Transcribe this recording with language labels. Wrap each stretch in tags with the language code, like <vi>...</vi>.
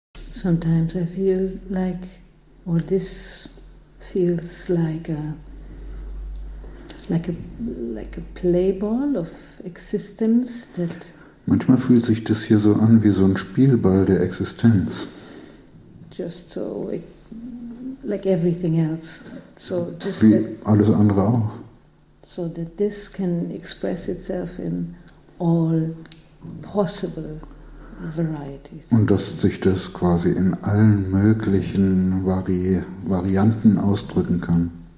<en>Sometimes I feel like, or this feels like a playball of existence that.</en> <de>Manchmal fühlt sich das hier so an wie so ein Spielball der Existenz.</de> <en>Just so, it, like everything else. So just</en> <de>wie alles andere auch.</de> <en>So that this can express itself in all possible varieties.</en> <de>Und dass sich das quasi in allen möglichen Varianten ausdrücken kann.</de>